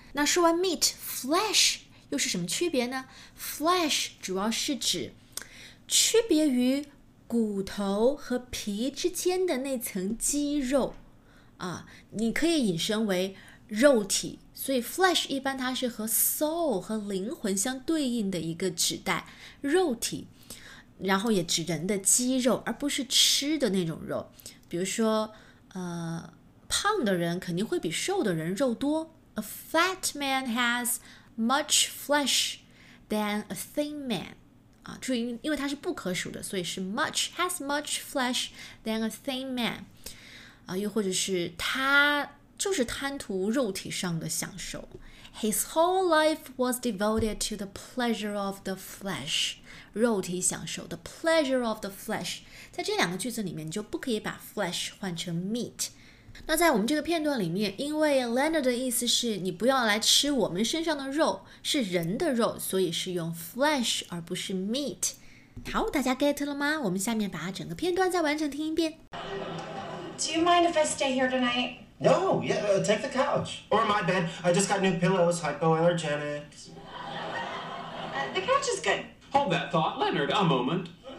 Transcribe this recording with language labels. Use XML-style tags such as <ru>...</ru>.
<zh>那说完 meat， flesh 又是什么区别呢？flesh 主要是指区别于骨头和皮之间的那层肌肉啊，你可以引申为肉体。所以 flesh 一般它是和 soul 和灵魂相对应的一个指代肉体，然后也指人的肌肉，而不是吃的那种肉。比如说胖的人肯定会比瘦的人肉多。</zh> <en>A fat man has much flesh than a thin man.</en> <zh>注意因为它是不可数的，所以是 much,</zh> <en>has much flesh than a thin man、</en> <zh>又或者是他就是贪图肉体上的享受。</zh> <en>His whole life was devoted to the pleasure of the flesh,</en> <zh>肉体享受</zh> <en>the pleasure of the flesh。</en> <zh>在这两个句子里面你就不可以把 flesh 换成 meat。那在我们这个片段里面，因为 Leonard 的意思是你不要来吃我们身上的肉，是人的肉，所以是用 flesh 而不是 meat。好，大家 get 了吗？我们下面把整个片段再完整听一遍。</zh> <en>Do you mind if I stay here tonight? No, yeah, take the couch. Or my bed, I just got new pillows, hypoallergenic. The couch is good. Hold that thought, Leonard, a moment.</en>